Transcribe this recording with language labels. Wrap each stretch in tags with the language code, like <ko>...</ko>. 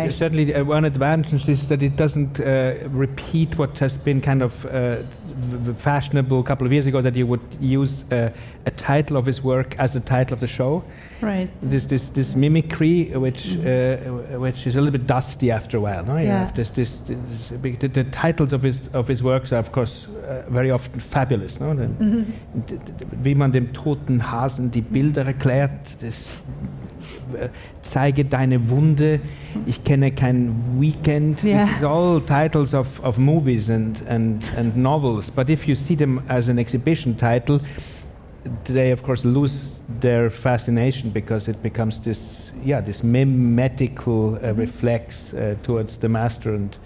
<en>I think certainly one advantage is that it doesn't repeat what has been kind of fashionable a couple of years ago, that you would use a title of his work as the title of the show. Right. This mimicry, which is a little bit dusty after a while. No? Yeah. You have the titles of his works are, of course, very often fabulous. No? Mm-hmm.</en> <de>Wie man dem toten Hasen die Bilder erklärt, das zeige deine Wunde, ich kenne kein Weekend.</de> <en>Yeah. These are all titles of movies and novels. But if you see them as an exhibition title, they of course lose their fascination, because it becomes this mimetical reflex towards the master.</en>